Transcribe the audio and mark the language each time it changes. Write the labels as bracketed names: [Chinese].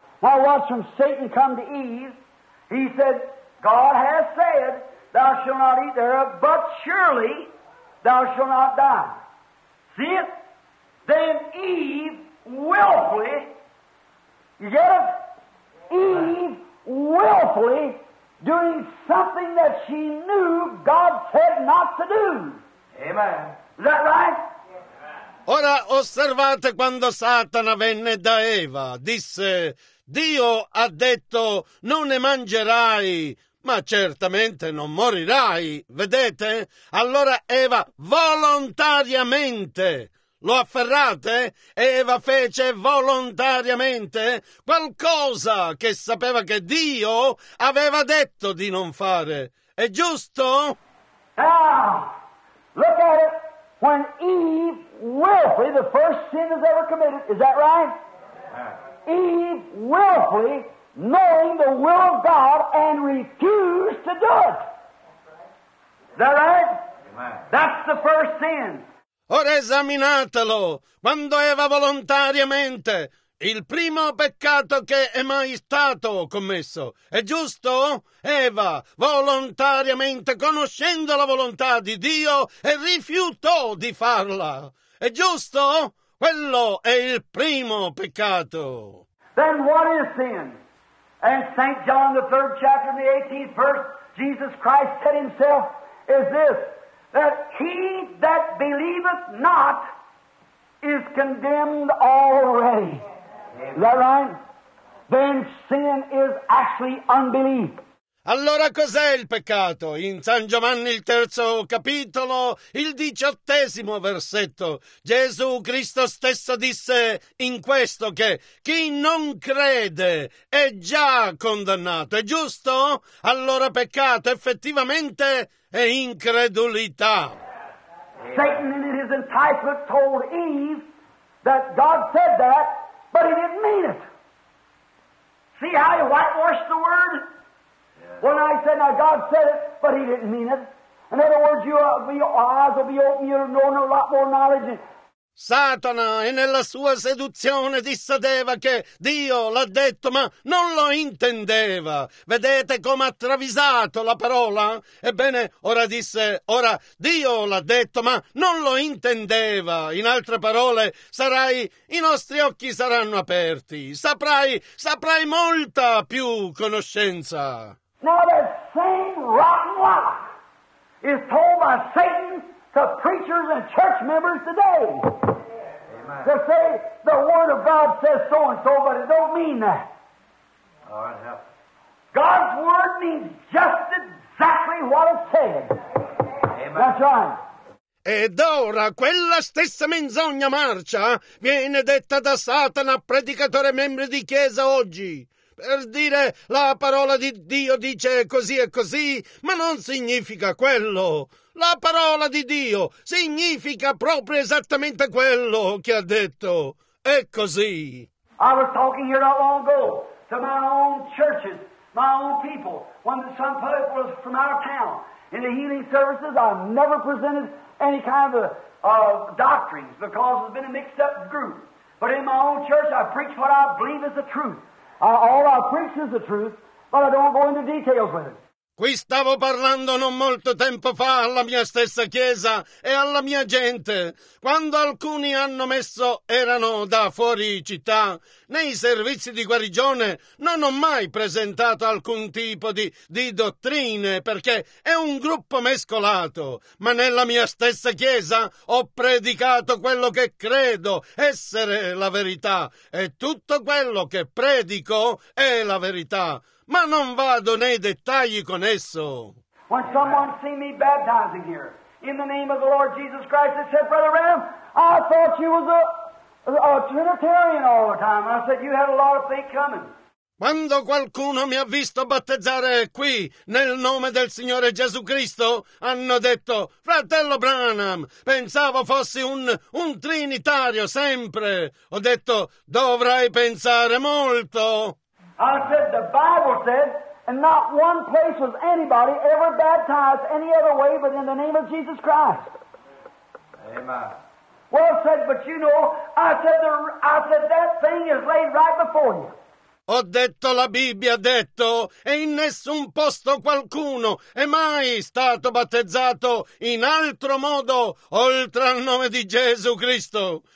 [English] Now watch from Satan come to Eve, he said, God has said, thou shalt not eat thereof, but surely thou shalt not die. See it? Then Eve willfully, you get it? Eve willfully doing something that she knew God said not to do. Amen. Is that right? [Italian] Ora osservate quando Satana venne da Eva. Disse, Dio ha detto, non ne mangerai, ma certamente non morirai, vedete? Allora Eva volontariamente, lo afferrate? Eva fece volontariamente qualcosa che sapeva che Dio aveva detto di non fare. È giusto? [English] Ah, look at it. When Eve willfully, the first sin is ever committed, is that right? Eve willfully, knowing the will of God and refused to do it. Is that right? Amen. That's the first sin. [Italian] Ora esaminatelo. Quando Eva volontariamente, il primo peccato che è mai stato commesso, è giusto? Eva volontariamente, conoscendo la volontà di Dio, e rifiutò di farla. È giusto? Quello è il primo peccato. [English] Then what is sin? And St. John, the third chapter, in the 18th verse, Jesus Christ said himself, is this, that he that believeth not is condemned already. Is that right? Then sin is actually unbelief. [Italian] Allora cos'è il peccato? In San Giovanni il terzo capitolo, il 18° versetto, Gesù Cristo stesso disse in questo che chi non crede è già condannato. È giusto? Allora peccato effettivamente è incredulità. [English] Satan in his enticement told Eve that God said that, but he didn't mean it. See how he whitewashed the word? When I said, now God said it, but he didn't mean it. In other words, your eyes will be open, you'll know a lot more knowledge. [Italian] Satana, e nella sua seduzione dissedeva che Dio l'ha detto, ma non lo intendeva. Vedete come ha travisato la parola? Ebbene, ora disse, ora Dio l'ha detto, ma non lo intendeva. In altre parole, sarai, i nostri occhi saranno aperti. Saprai molta più conoscenza. [English] Now the same rotten lie is told by Satan to preachers and church members today. To say the Word of God says so and so, but it don't mean that. All right, help. God's Word means just exactly what it said. Amen. That's right. [Italian] Ed ora quella stessa menzogna marcia viene detta da Satana, predicatore e membri di chiesa oggi. Per dire la parola di Dio dice così e così, ma non significa quello. La parola di Dio significa proprio esattamente quello che ha detto. È così. [English] I was talking here not long ago to my own churches, my own people. When some people was from out of town in the healing services, I never presented any kind of doctrines because it's been a mixed up group. But in my own church, I preach what I believe is the truth. All I preach is the truth, but I don't go into details with it. [Italian] Qui stavo parlando non molto tempo fa alla mia stessa chiesa e alla mia gente, quando alcuni hanno messo, erano da fuori città, nei servizi di guarigione non ho mai presentato alcun tipo di dottrine perché è un gruppo mescolato, ma nella mia stessa chiesa ho predicato quello che credo essere la verità e tutto quello che predico è la verità. Ma non vado nei dettagli con esso. [English] When someone see me baptizing here in the name of the Lord Jesus Christ, they said, Brother Ram, I thought you was a Trinitarian all the time. I said, you had a lot of faith coming. [Italian] Quando qualcuno mi ha visto battezzare qui nel nome del Signore Gesù Cristo, hanno detto, fratello Branham, pensavo fossi un trinitario sempre. Ho detto, dovrai pensare molto. [English] I said, the Bible said, and not one place was anybody ever baptized any other way but in the name of Jesus Christ. Amen. Well, I said, but you know, I said that thing is laid right before you. [Italian] Ho detto, la Bibbia ha detto, e in nessun posto qualcuno è mai stato battezzato in altro modo oltre al nome di Gesù Cristo.